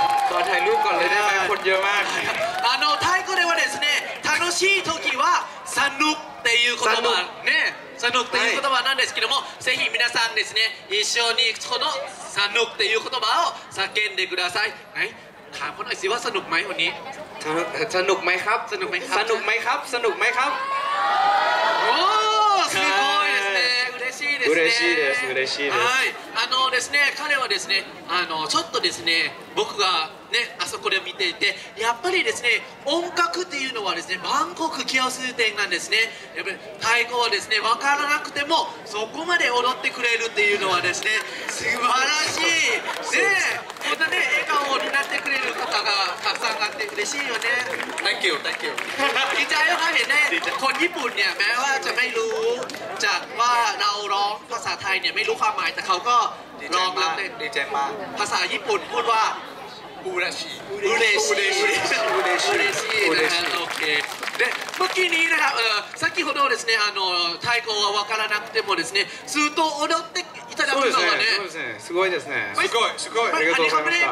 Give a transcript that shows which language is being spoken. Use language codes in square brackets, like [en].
[th] ก่อนเลยได้ไหมคนเยอะมาก [ja] あのタイ語ではですね楽しい時はサンヌっていう言葉ねサンヌっていう言葉なんですけどもぜひ皆さんですね一緒にこのサンヌっていう言葉を叫んでくださいはい [th] ถามคนหน่อยสิว่าสนุกไหมวันนี้สนุกไหมครับ สนุกไหมครับ สนุกไหมครับสนุกไหมครับ โอ้สุดยอดเลยสิ [ja] 嬉しいです嬉しいですはいあのですね彼はですねあのちょっとですね僕がねあそこで見ていてやっぱりですね音楽っていうのはですね万国共通点なんですねやっぱり太鼓はですね分からなくてもそこまで踊ってくれるっていうのはですね素晴らしいねこんなね笑顔になってくれる方がたくさんあって嬉しいよね [en] Thank you Thank you [th] ดีใจมากเลยเนี่ยคนญี่ปุ่นเนี่ยแม้ว่าจะไม่รู้จากว่าเราร้องภาษาไทยเนี่ยไม่รู้ความหมายแต่เขาก็ร้องแล้วเต้น ดีใจมาก ภาษาญี่ปุ่นพูดว่า อุเรชิ อุเรชิ อุเรชิ อุเรชิอุเรชิโอเคเด็กเมื่อกี้นี้นะครับ [ja] さっきほどですねあの太鼓は分からなくてもですねずっと踊っていただくのはねそうですねすごいですねすごいすごいありがとうございます